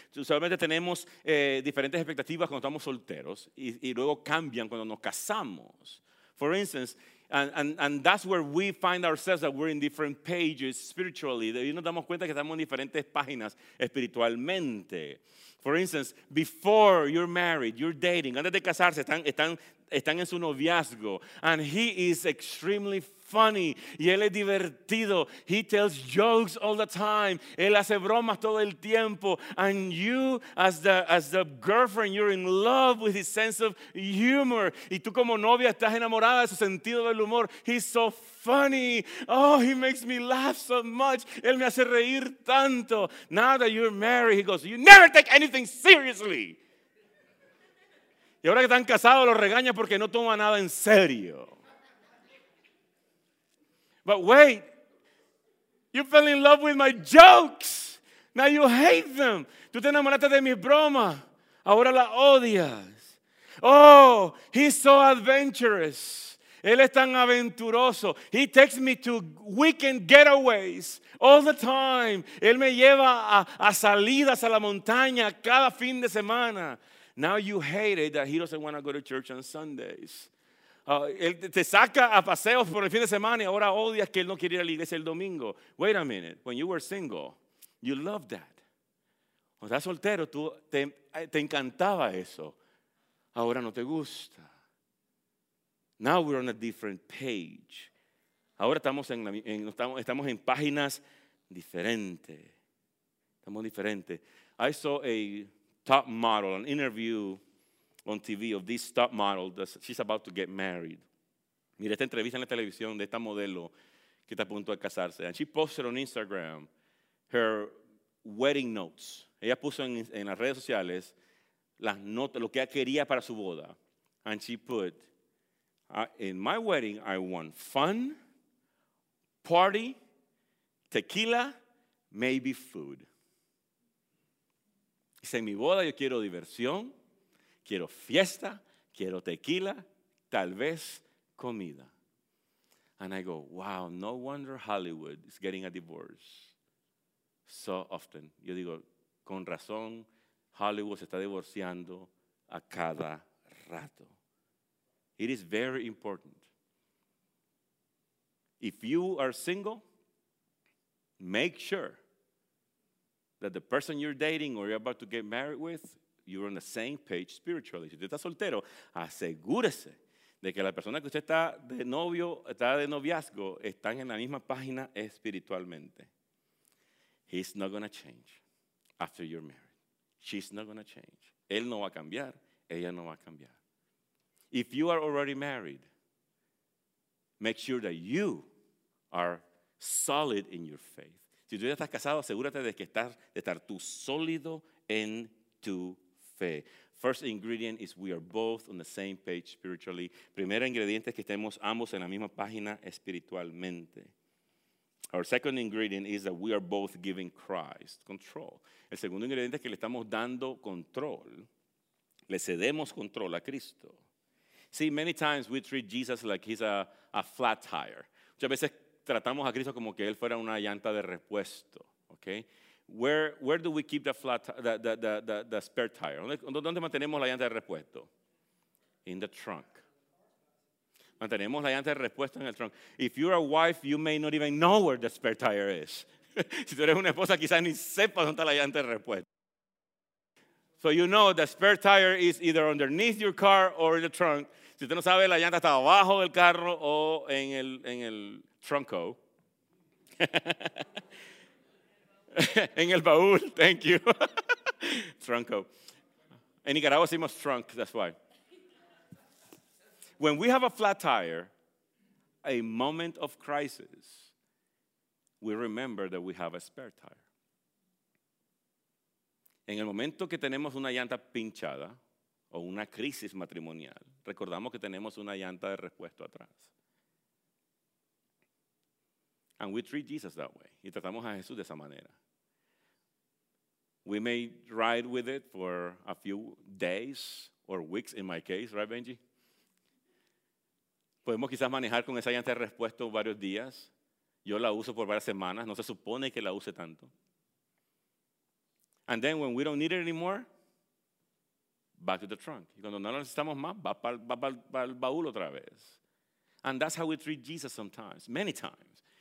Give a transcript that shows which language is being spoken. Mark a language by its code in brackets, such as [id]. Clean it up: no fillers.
[es] Solamente tenemos diferentes expectativas cuando estamos solteros, y luego cambian cuando nos casamos. [en] For instance, and that's where we find ourselves, that we're in different pages spiritually. [es] Y nos damos cuenta que estamos en diferentes páginas espiritualmente. [en] For instance, before you're married, you're dating. [es] Antes de casarse, están en su noviazgo. [en] And he is extremely funny. [es] Y él es divertido. [en] He tells jokes all the time. [es] Él hace bromas todo el tiempo. [en] And you, as the girlfriend, you're in love with his sense of humor. [es] Y tú como novia estás enamorada de su sentido del humor. [en] He's so funny. Oh, he makes me laugh so much. [es] Él me hace reír tanto. [en] Now that you're married, he goes, you never take anything seriously. [es] Y ahora que están casados, los regaña porque no toma nada en serio. [en] But wait, you fell in love with my jokes. Now you hate them. [es] Tú te enamoraste de mi broma. Ahora la odias. [en] Oh, he's so adventurous. [es] Él es tan aventuroso. [en] He takes me to weekend getaways all the time. [es] Él me lleva a salidas a la montaña cada fin de semana. [en] Now you hate it that he doesn't want to go to church on Sundays. [es] Él te saca a paseos por el fin de semana y ahora odias que él no quiere ir a la iglesia el domingo. [en] Wait a minute. When you were single, you loved that. [es] Cuando estás soltero, tú te encantaba eso. Ahora no te gusta. [en] Now we're on a different page. [es] Ahora estamos en páginas diferentes. Estamos diferentes. [en] I saw a top model, an interview on TV of this top model that she's about to get married. [es] Mira esta entrevista en la televisión de esta modelo que está a punto de casarse. [en] And she posted on Instagram her wedding notes. [es] Ella puso en las redes sociales las notas, lo que ella quería para su boda. [en] And she put, in my wedding, I want fun, party, tequila, maybe food. [es] Dice, en mi boda yo quiero diversión, quiero fiesta, quiero tequila, tal vez comida. [en] And I go, wow, no wonder Hollywood is getting a divorce so often. [es] Yo digo, con razón, Hollywood se está divorciando a cada rato. [en] It is very important. If you are single, make sure that the person you're dating or you're about to get married with, you're on the same page spiritually. [es] Si tú estás soltero, asegúrese de que la persona que usted está de novio, está de noviazgo, están en la misma página espiritualmente. [en] He's not going to change after you're married. She's not going to change. [es] Él no va a cambiar, ella no va a cambiar. [en] If you are already married, make sure that you are solid in your faith. [es] Si tú ya estás casado, asegúrate de que estás, de estar tú sólido en tu fe. [en] First ingredient is we are both on the same page spiritually. [es] Primer ingrediente es que estemos ambos en la misma página espiritualmente. [en] Our second ingredient is that we are both giving Christ control. [es] El segundo ingrediente es que le estamos dando control. Le cedemos control a Cristo. [en] See, many times we treat Jesus like he's a flat tire. [es] Muchas veces tratamos a Cristo como que él fuera una llanta de repuesto, ¿okay? [en] Where do we keep the flat the spare tire? [es] ¿Dónde mantenemos la llanta de repuesto? [en] In the trunk. [es] Mantenemos la llanta de repuesto en el trunk. [en] If you're a wife, you may not even know where the spare tire is. [es] Si tú eres una esposa, quizás ni sepas dónde está la llanta de repuesto. [en] So you know the spare tire is either underneath your car or in the trunk. [es] Si usted no sabe, la llanta está abajo del carro o en el trunco. En el baúl, [en] thank you. [es] Trunco. En Nicaragua decimos trunk, [en] that's why. When we have a flat tire, a moment of crisis, we remember that we have a spare tire. [es] En el momento que tenemos una llanta pinchada o una crisis matrimonial, recordamos que tenemos una llanta de repuesto atrás. [en] And we treat Jesus that way. [es] Y tratamos a Jesús de esa manera. [en] We may ride with it for a few days or weeks, in my case, right, Benji? [es] Podemos quizás manejar con esa llanta de repuesto varios días. Yo la uso por varias semanas. No se supone que la use tanto. [en] And then when we don't need it anymore, back to the trunk. [es] Y cuando no lo necesitamos más, va para el baúl otra vez. [en] And that's how we treat Jesus sometimes, many times.